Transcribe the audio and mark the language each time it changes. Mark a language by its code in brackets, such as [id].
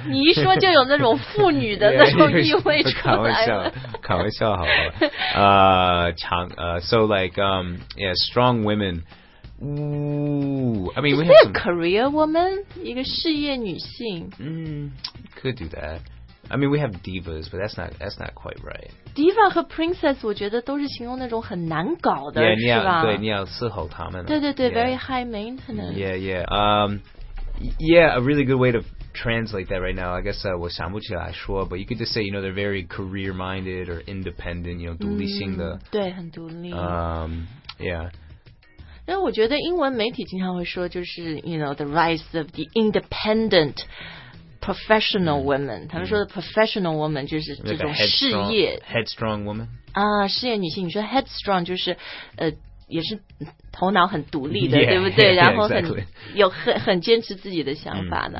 [zh] 你一说就有那种妇女的那种意味出来。开玩笑，开玩笑，好吧。 [en] 强，so like yeah, strong women. Ooh, I mean, is we have a career woman, [zh] 一个事业女性 [en] could do that. I mean, we have divas, but that's not quite right. [zh] Diva 和 princess, 我觉得都是形容那种很难搞的 [en] yeah, [zh] 是吧对你要伺候她们对对对、 [en] yeah. very high maintenance. Yeah, yeah. Yeah, a really good way to translate that right now. I guess [zh] 我想不起来说 [en] but you could just say, you know, they're very career minded or independent, you know, [zh] 独立性的、对很独立 [en] Yeah. [zh] 但我觉得英文媒体经常会说就是 [en] you know, the rise of the independent professional women. [zh] 他们说的 professional woman 就是这种事业。 [en] Headstrong woman? [zh] 啊事业女性你说 headstrong 就是也是头脑很独立的 [en] yeah, [zh] 对不对 [en] yeah, [zh] 然后很、 [en] exactly. [zh] 有很坚持自己的想法的、